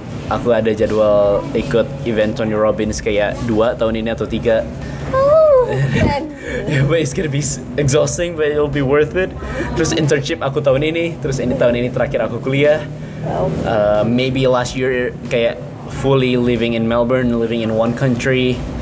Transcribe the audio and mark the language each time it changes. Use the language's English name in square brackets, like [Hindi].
[Indonesian] Aku ada jadwal ikut event Tony Robbins kayak 2 tahun ini atau 3. Oh, [English] yeah, but it's gonna be exhausting, but it'll be worth it. [Indonesian] Terus internship aku tahun ini, terus ini tahun ini terakhir aku kuliah. [English] Maybe last year kayak fully living in Melbourne, living in one country.